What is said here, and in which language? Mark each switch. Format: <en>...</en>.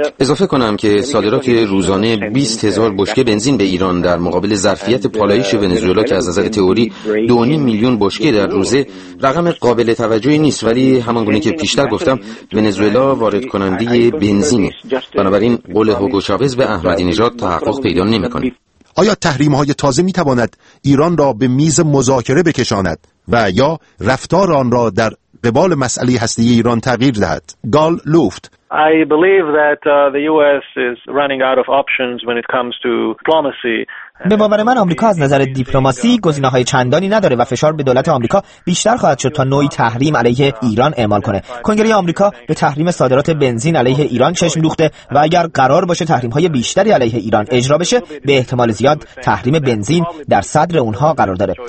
<fa>اضافه کنم که صادرات روزانه 20,000 بشکه بنزین به ایران در مقابل ظرفیت پالایش ونزوئلا که از نظر تئوری 2.5 میلیون بشکه در روزه رقم قابل توجهی نیست، ولی همان گونه که پیشتر گفتم ونزوئلا وارد کننده بنزینه. بنابراین قول هوگو چاوز به احمدی نژاد تحقق پیدا نمی کنه. آیا تحریم‌های تازه می‌تواند ایران را به میز مذاکره بکشاند و یا رفتار آن را در قبال مسئله هسته‌ای ایران تغییر دهد؟ گال لوفت:</fa> <en>I believe that the US is running out of options when it comes to diplomacy.</en> <fa>به باور من آمریکا از نظر دیپلماسی گزینه‌های چندانی نداره و فشار به دولت آمریکا بیشتر خواهد شد تا نوعی تحریم علیه ایران اعمال کنه. کنگره آمریکا به تحریم صادرات بنزین علیه ایران چشم دوخته و اگر قرار باشه تحریم‌های بیشتری علیه ایران اجرا بشه، به احتمال زیاد تحریم بنزین در صدر اونها قرار داره.</fa>